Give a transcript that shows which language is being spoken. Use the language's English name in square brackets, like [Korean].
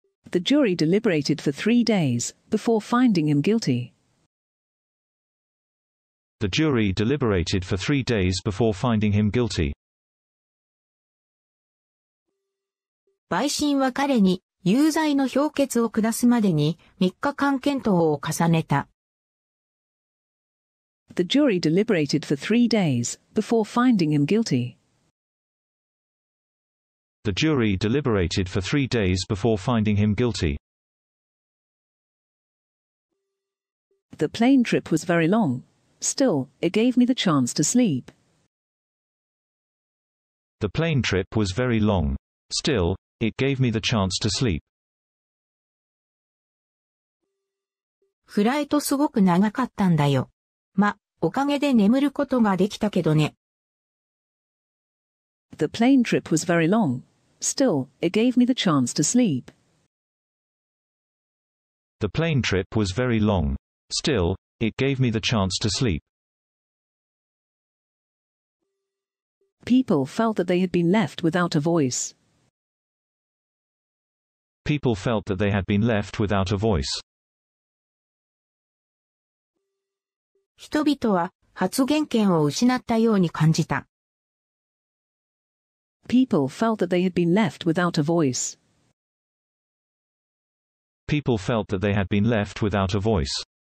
[English] The jury deliberated for 3 days before finding him guilty. The jury deliberated for 3 days before finding him guilty. [Japanese] 陪審は彼に有罪の評決を下すまでに3日間検討を重ねた。 [English] The jury deliberated for 3 days before finding him guilty. The jury deliberated for 3 days before finding him guilty. The plane trip was very long. Still, it gave me the chance to sleep. The plane trip was very long. Still, it gave me the chance to sleep. [Japanese] フライトすごく長かったんだよ。おかげで眠ることができたけどね。 [English] The plane trip was very long. Still, it gave me the chance to sleep. The plane trip was very long. Still, it gave me the chance to sleep. People felt that they had been left without a voice. People felt that they had been left without a voice. [Japanese] 人々は発言権を失ったように感じた。 [English] People felt that they had been left without a voice. People felt that they had been left without a voice.